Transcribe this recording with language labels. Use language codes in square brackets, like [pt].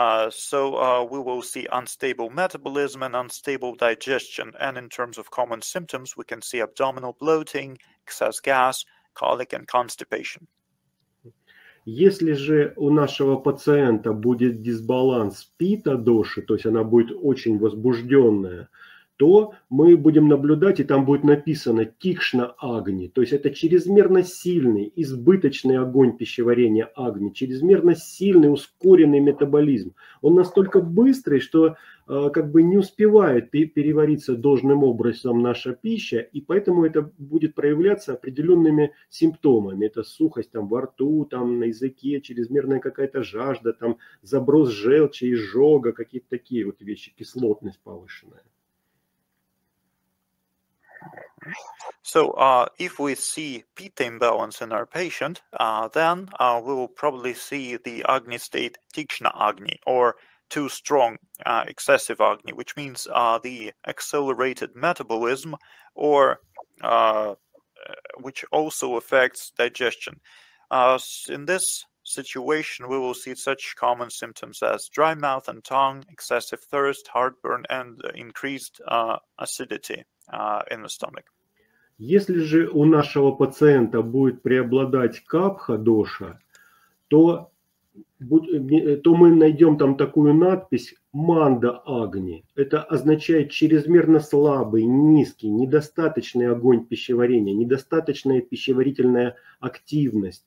[en] So we will see unstable metabolism and unstable digestion. And in terms of common symptoms, we can see abdominal bloating, excess gas, colic, and constipation. [ru] Если же у нашего пациента будет дисбаланс пита-доши, то есть она будет очень возбужденная, то мы будем наблюдать, и там будет написано тикшна-агни, то есть это чрезмерно сильный, избыточный огонь пищеварения агни, чрезмерно сильный, ускоренный метаболизм. Он настолько быстрый, что как бы не успевает перевариться должным образом наша пища, и поэтому это будет проявляться определенными симптомами. Это сухость там во рту, там на языке, чрезмерная какая-то жажда, там заброс желчи, изжога, какие-то такие вот вещи, кислотность повышенная. [en] So if we see pitta imbalance in our patient, then we will probably see the Agni state Tikshna Agni, or too strong excessive Agni, which means the accelerated metabolism, or which also affects digestion. In this situation, we will see such common symptoms as dry mouth and tongue, excessive thirst, heartburn, and increased acidity in the stomach. [ru] Если же у нашего пациента будет преобладать капха-доша, то мы найдем там такую надпись «манда-агни». Это означает чрезмерно слабый, низкий, недостаточный огонь пищеварения, недостаточная пищеварительная активность.